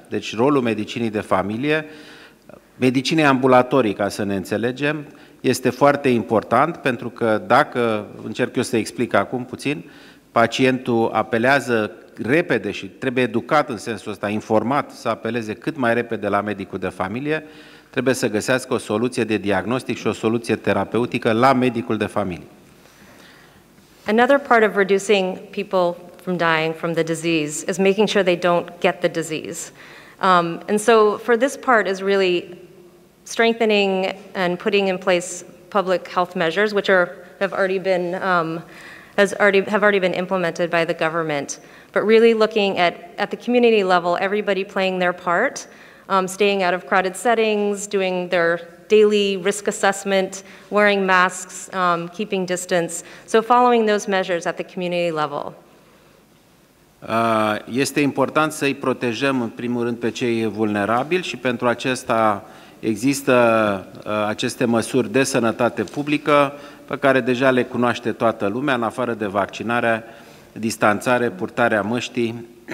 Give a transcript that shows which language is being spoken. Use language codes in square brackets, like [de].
[ro] Deci rolul medicinii de familie, medicinei ambulatorii, ca să ne înțelegem, este foarte important pentru că dacă, încerc eu să explic acum puțin, pacientul apelează repede și trebuie educat în sensul ăsta, informat, să apeleze cât mai repede la medicul de familie, trebuie să găsească o soluție de diagnostic și o soluție terapeutică la medicul de familie. [en] Another part of reducing people from dying from the disease is making sure they don't get the disease. And so for this part is really strengthening and putting in place public health measures, which have already been implemented by the government, but really looking at the community level, everybody playing their part, staying out of crowded settings, doing their daily risk assessment, wearing masks, keeping distance. So following those measures at the community level. [ro] Este important să-i protejăm în primul rând pe cei vulnerabili și pentru acesta există aceste măsuri de sănătate publică pe care deja le cunoaște toată lumea, în afară de vaccinare, distanțare, purtarea măștii